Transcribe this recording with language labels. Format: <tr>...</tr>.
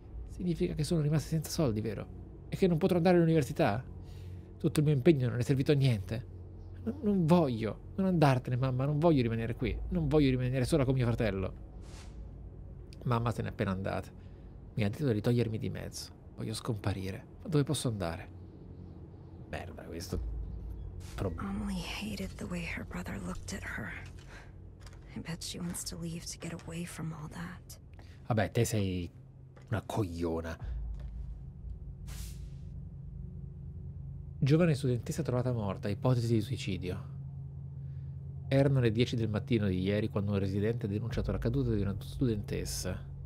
<it>Significa che sono rimasti senza soldi, vero? E che non potrò andare all'università? Tutto il mio impegno non è servito a niente. Non voglio. Non andartene, mamma. Non voglio rimanere qui. Non voglio rimanere sola con mio fratello. Mamma se n'è appena andata. Mi ha detto di togliermi di mezzo. Voglio scomparire. Ma dove posso andare? Merda, questo...</it> <en>Emily hated the way her brother looked at her. I bet she wants to leave to get away from all that.</en> <it>Vabbè, te sei una cogliona. Giovane studentessa trovata morta, ipotesi di suicidio. Erano le 10 del mattino di ieri quando un residente ha denunciato la caduta di una studentessa.</it>